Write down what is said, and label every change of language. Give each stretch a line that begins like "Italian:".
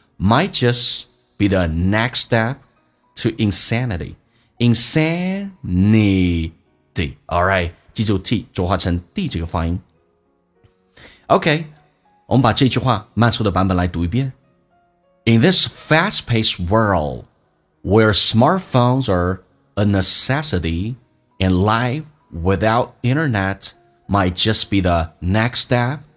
English: Might just be the next step to insanity. Insanity. All right.
Chinese: 记住 t 浊化成 d 这个发音。OK， 我们把这句话慢速的版本来读一遍。
English: In this fast-paced world where smartphones are a necessity and life without internet might just be the next step.